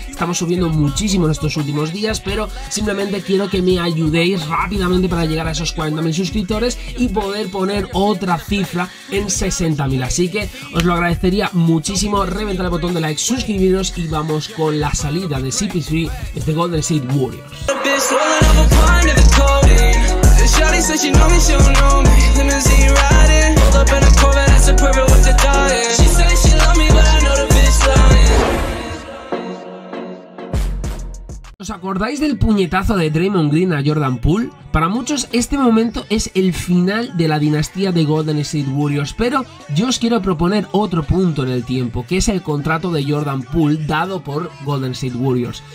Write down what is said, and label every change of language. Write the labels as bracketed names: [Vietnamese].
[Spanish] Estamos subiendo muchísimo en estos últimos días, pero simplemente quiero que me ayudéis rápidamente para llegar a esos 40.000 suscriptores y poder poner otra cifra en 60.000. Así que os lo agradecería muchísimo. Reventad el botón de like, suscribiros y vamos con la salida de CP3 desde Golden State Warriors. [English] Swollen up a pint of the codeine. The shawty said she know me, she don't know me. Limousine riding, pulled up in a Corvette, that's a perfect way to die in. She said she love me, but I know the bitch lying. [Spanish] ¿Os acordáis del puñetazo de Draymond Green a Jordan Poole? Para muchos, este momento es el final de la dinastía de Golden State Warriors, pero yo os quiero proponer otro punto en el tiempo, que es el contrato de Jordan Poole dado por Golden State Warriors.